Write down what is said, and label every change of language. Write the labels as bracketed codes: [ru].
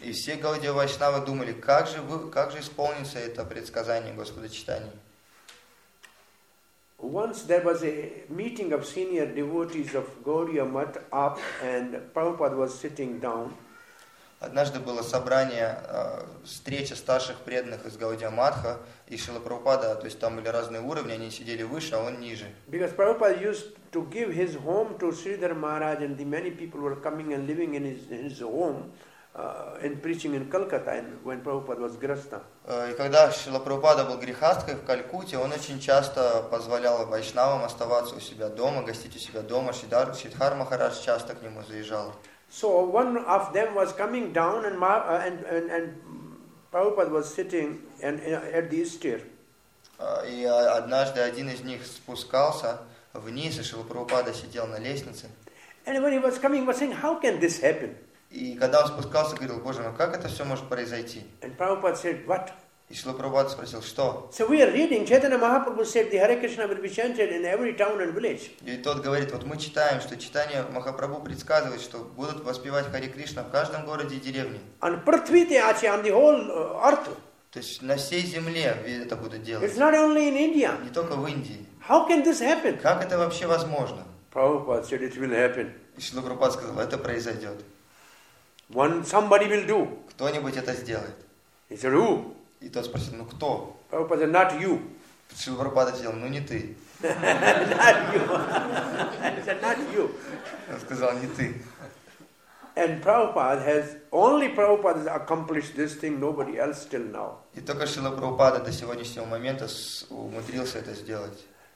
[ru] И все Гаудия Вайшнавы думали, как же исполнится это предсказание Господа Чайтаньи. [en] Once there was a meeting of senior devotees of Gauriya Math up and Prabhupada was sitting down. [ru] Однажды было собрание, встреча старших преданных из Гаудия Матха и Шрила Прабхупада, то есть там были разные уровни, они сидели выше, а он ниже. [en] Because Prabhupada used to give his home to Sridhar Maharaj and the many people were coming and living in his home. And preaching in Calcutta when Prabhupada was grihastha. [ru] И когда Шрила Прабхупада был грихасткой в Калькутте, он очень часто позволял вайшнавам оставаться у себя дома, гостить у себя дома. Сидхар Махарадж часто к нему заезжал. [en] So one of them was coming down and Prabhupada was sitting at the stair. [ru] И однажды один из них спускался вниз, и Шрила Прабхупада сидел на лестнице. [en] And when he was coming, he was saying, "How can this happen?" [ru] И когда он спускался, говорил, Боже мой, как это все может произойти? [en] And Prabhupada said, what? [ru] И Шрила Прабхупада спросил, что? [en] So we are reading, Chaitanya Mahaprabhu said, the Hare Krishna will be chanted in every town and village. [ru] И тот говорит, вот мы читаем, что Чайтанья Махапрабху предсказывает, что будут воспевать Харе Кришна в каждом городе и деревне. [en] On Prithvite, actually, on the whole earth. [ru] То есть на всей земле это будут делать. [en] It's not only in India. [ru] Не только в Индии. [en] How can this happen? [ru] Как это вообще возможно? [en] Prabhupada said, it will happen. [ru] И Шрила Прабхупада сказал, это произойдет. [en] One somebody will do. [ru] Кто-нибудь это сделает. [en] He said, who? [ru] И тот спросил, ну кто? [en] Prabhupada said, not you. [ru] Шрила Прабхупада сказал, ну не ты. [en] Not you. He said, not you. [ru] Он сказал, не ты. [en] And Prabhupada has, only Prabhupada has accomplished this thing, nobody else till now. [ru] И только Шрила Прабхупада до сегодняшнего момента умудрился это сделать.